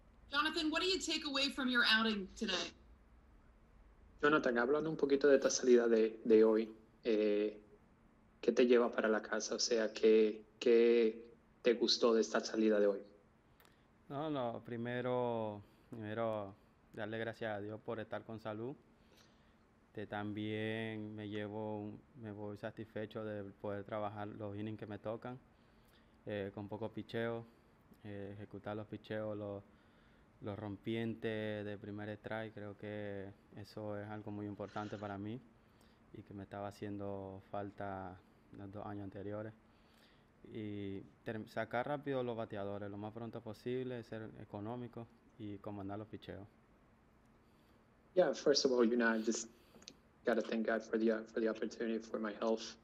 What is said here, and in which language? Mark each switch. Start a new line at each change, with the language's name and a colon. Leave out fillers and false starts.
English: Jonathan, what do you take away from your outing today?
Spanish: Jonathan, hablando un poquito de esta salida de hoy, ¿qué te lleva para la casa? O sea, ¿qué te gustó de esta salida de hoy? No, no, primero darle gracias a Dios por estar con salud. También me voy satisfecho de poder trabajar los innings que me tocan, con poco picheo, ejecutar los picheos, los rompientes de primer strike. Creo que eso es algo muy importante para mí y que me estaba haciendo falta los 2 años anteriores. Y sacar rápido los bateadores lo más pronto posible, ser económico y comandar los picheos.
English: Yeah, first of all, you know, I just got to thank God for the opportunity, for my health.